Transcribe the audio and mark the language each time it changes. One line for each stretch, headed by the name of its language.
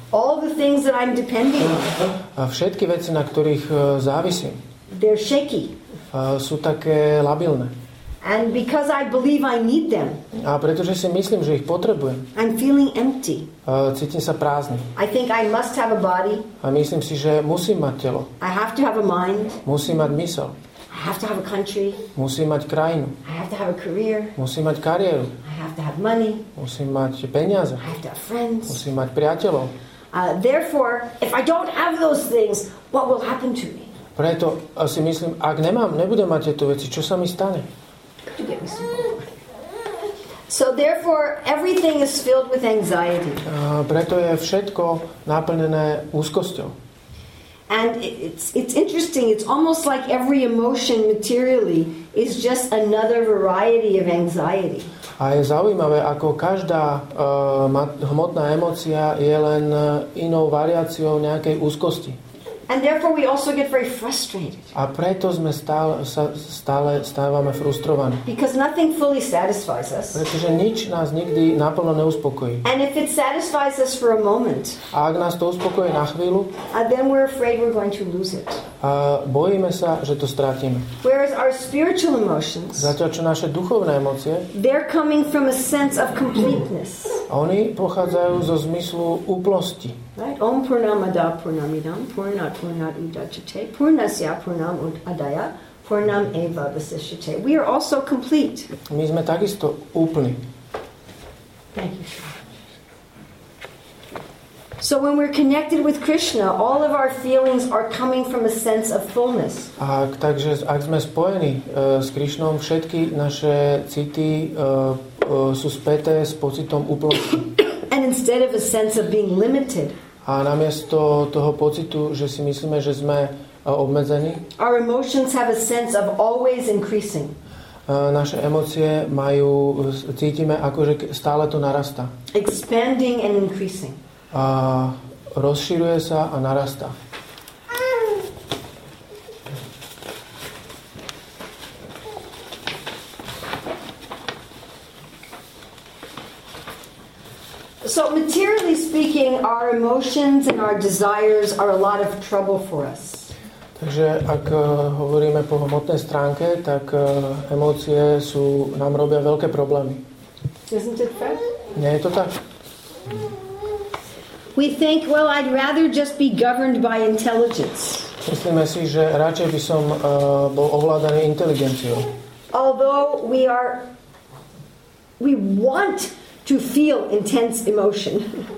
English: All the things that I'm depending on.
Slovak: A všetky veci, na ktorých závisím.
English: They're shaky.
Slovak: Sú také labilné.
English: And because I believe I need them.
Slovak: A pretože si myslím, že ich potrebujem.
English: I'm feeling empty.
Slovak: Cítim sa prázdny.
English: I think I must have a body.
Slovak: A myslím si, že musím mať telo.
English: I have to have a mind.
Slovak: Musím mať mysel.
English: I have to have a country.
Slovak: Musím mať krajinu.
English: I have to have a career.
Slovak: Musím mať kariéru.
English: I have to have money.
Slovak: Musím mať peniaze.
English: I have to have friends.
Slovak: Musím mať priateľov.
English: Therefore, if I don't have those things, what will happen to me?
Slovak: Preto si myslím, ak nebudem mať tieto veci, čo sa mi stane?
English: So therefore everything is filled with anxiety.
Slovak: Preto je všetko naplnené úzkosťou.
English: And it's interesting, it's almost like every emotion materially is just another variety of anxiety.
Slovak: A je zaujímavé, ako každá hmotná emócia je len inou variáciou nejakej úzkosti.
English: And therefore we also get very frustrated.
Slovak: A preto sme stále stávame frustrovaní.
English: Because nothing fully satisfies us.
Slovak: Pretože nič nás nikdy naplno neuspokojí.
English: And if it satisfies us for a moment.
Slovak: A ak nás to uspokojí na chvíľu.
English: Then we're afraid we're going to lose it.
Slovak: A bojíme sa, že to stratíme.
English: Whereas our spiritual emotions.
Slovak: Zatiaľ čo naše duchovné emócie.
English: They're coming from a sense of completeness.
Slovak: Oni pochádzajú zo zmyslu úplnosti.
English: Right?
Sanskrit: Om Purnamada Purnamidam Purnat Purnat Udachate Purnasya Purnam Udaya Purnam Eva Vasishate.
English: We are also complete.
Slovak: My sme takisto úplni.
English: Thank you. So when we're connected with Krishna, all of our feelings are coming from a sense of fullness.
Slovak: Takže ak sme spojení s Krishnom, všetky naše city sú späté s pocitom úplnosti.
English: And instead of a sense of being limited.
Slovak: A namiesto toho pocitu, že si myslíme, že sme obmedzení.
English: Our emotions have a sense of always increasing.
Slovak: Naše emócie majú, cítime, akože stále to narasta.
English: Expanding and increasing.
Slovak: A rozširuje sa a narasta.
English: So materially speaking, our emotions and our desires are a lot of trouble for us.
Slovak: Takže ak hovoríme po hmotnej stránke, tak emócie sú nám robia veľké problémy.
English: Isn't it fair?
Slovak: Nie je to tak?
English: We think, well, I'd rather just be governed by intelligence.
Slovak: Myslíme si, že radšej by som bol ovládaný inteligenciou.
English: Although we want to feel intense emotion.